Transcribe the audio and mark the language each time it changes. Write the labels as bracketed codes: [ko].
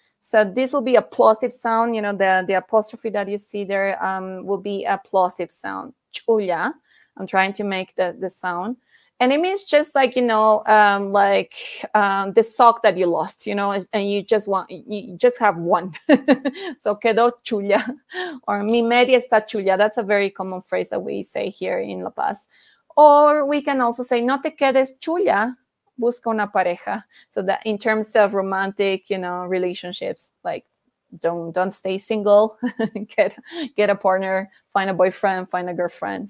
[en] So this will be a plosive sound. You know, the apostrophe that you see there will be a plosive sound. Chulla. I'm trying to make the sound. And it means just like, you know, the sock that you lost, you know, and you just have one. [es] So quedó chulla, or mi media está chulla. [en] That's a very common phrase that we say here in La Paz. Or we can also say, [es] no te quedes chulla, busca una pareja. [en] So that in terms of romantic, you know, relationships, like don't stay single, get a partner, find a boyfriend, find a girlfriend.